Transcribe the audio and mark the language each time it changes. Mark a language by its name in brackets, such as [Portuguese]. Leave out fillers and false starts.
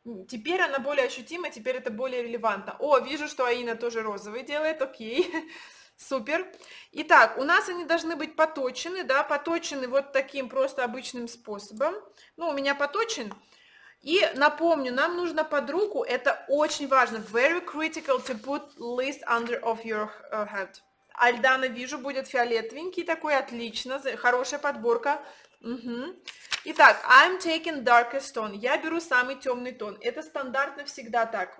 [Russian] Теперь она более ощутима, теперь это более релевантно. О, вижу, что Аина тоже розовый делает, окей, супер. Итак, у нас они должны быть поточены, да, поточены вот таким просто обычным способом. Ну, у меня поточен. И напомню, нам нужно под руку, это очень важно. [English] Very critical to put list under of your hand. [Russian] Альдана, вижу, будет фиолетовенький такой, отлично, хорошая подборка. Угу. Итак, [English] I'm taking darkest tone. [Russian] Я беру самый темный тон. Это стандартно всегда так.